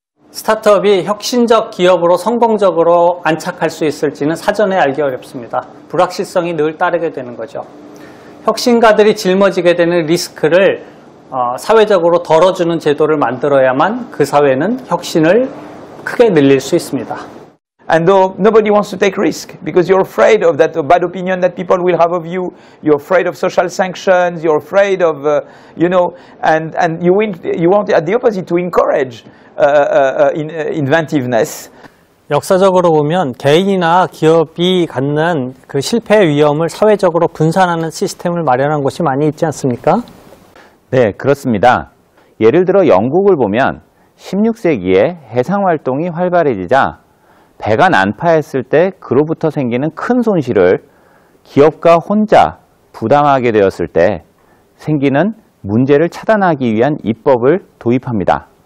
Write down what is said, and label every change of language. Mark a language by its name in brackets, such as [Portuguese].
[Korean] 스타트업이 혁신적 기업으로 성공적으로 안착할 수 있을지는 사전에 알기 어렵습니다. 불확실성이 늘 따르게 되는 거죠. 혁신가들이 짊어지게 되는 리스크를 사회적으로 덜어주는 제도를 만들어야만 그 사회는 혁신을 크게 늘릴 수 있습니다. [English] And though nobody wants to take risk because you're afraid of that bad opinion that people will have of you, you're afraid of social sanctions, you're afraid of, you know, and you want at the opposite to encourage inventiveness. [Korean] 역사적으로 보면 개인이나 기업이 갖는 그 실패 위험을 사회적으로 분산하는 시스템을 마련한 곳이 많이 있지 않습니까? 네, 그렇습니다. 예를 들어 영국을 보면 16세기에 해상활동이 활발해지자 배가 난파했을 때 그로부터 생기는 큰 손실을 기업가 혼자 부담하게 되었을 때 생기는 문제를 차단하기 위한 입법을 도입합니다.